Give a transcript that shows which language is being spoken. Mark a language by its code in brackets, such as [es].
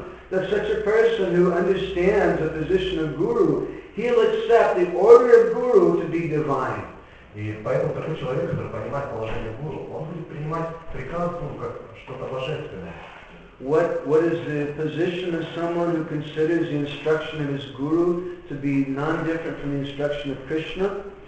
[en] That such a person who understands the position of Guru, he'll accept the order of Guru to be divine. [ru] И поэтому такой человек, который понимает положение Гуру, он будет принимать приказ Гуру как что-то божественное. [en] What is the position of someone who considers the instruction of his Guru to be non-different from the instruction of Krishna?